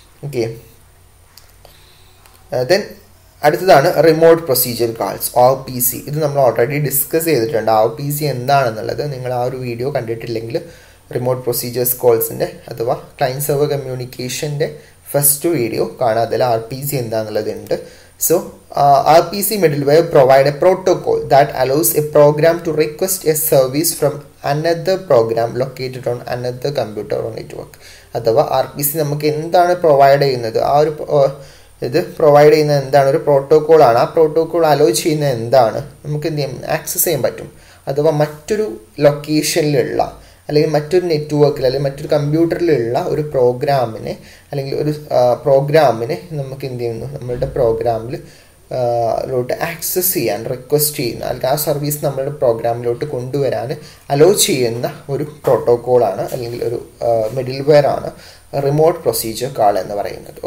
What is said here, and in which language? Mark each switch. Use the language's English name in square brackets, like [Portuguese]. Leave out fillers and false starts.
[Malayalam] Okay, then അടുത്തതാണ് remote procedure calls, O P C. ഇത് നമ്മൾ ഓൾറെഡി ഡിസ്കസ് ചെയ്തിട്ടുണ്ട് ഒ പി സി എന്താണെന്നുള്ളത്. നിങ്ങൾ ആ ഒരു വീഡിയോ കണ്ടിട്ടില്ലെങ്കിൽ റിമോട്ട് പ്രൊസീജിയേഴ്സ് കോൾസിൻ്റെ അഥവാ ക്ലയൻറ്റ് സെർവർ കമ്മ്യൂണിക്കേഷൻ്റെ ഫസ്റ്റ് വീഡിയോ കാണാം, അതിൽ ആർ പി സി എന്താണെന്നുള്ളത്. [English] So, RPC middleware provide a protocol that allows a program to request a service from another program located on another computer or network. [Malayalam] അഥവാ RPC നമുക്ക് എന്താണ് provide ചെയ്യുന്നത്, ആ ഒരു ഇത് പ്രൊവൈഡ് ചെയ്യുന്നത് എന്താണ്, ഒരു പ്രോട്ടോക്കോൾ ആണ്. ആ പ്രോട്ടോക്കോൾ അലോ ചെയ്യുന്നത് എന്താണ്, നമുക്ക് എന്ത് ചെയ്യാം, ആക്സസ് ചെയ്യാൻ പറ്റും അഥവാ മറ്റൊരു ലൊക്കേഷനിലുള്ള അല്ലെങ്കിൽ മറ്റൊരു നെറ്റ്വർക്കിൽ അല്ലെങ്കിൽ മറ്റൊരു കമ്പ്യൂട്ടറിലുള്ള ഒരു പ്രോഗ്രാമിനെ അല്ലെങ്കിൽ ഒരു പ്രോഗ്രാമിനെ നമുക്ക് എന്ത് ചെയ്യുന്നു, നമ്മളുടെ പ്രോഗ്രാമിൽ ലോട്ട് ആക്സസ് ചെയ്യാൻ റിക്വസ്റ്റ് ചെയ്യുന്ന, അല്ലെങ്കിൽ ആ സർവീസ് നമ്മളുടെ പ്രോഗ്രാമിലോട്ട് കൊണ്ടുവരാൻ അലോ ചെയ്യുന്ന ഒരു പ്രോട്ടോക്കോളാണ് അല്ലെങ്കിൽ ഒരു മിഡിൽവെയർ ആണ് റിമോട്ട് പ്രൊസീജിയർ കാൾ എന്ന് പറയുന്നത്.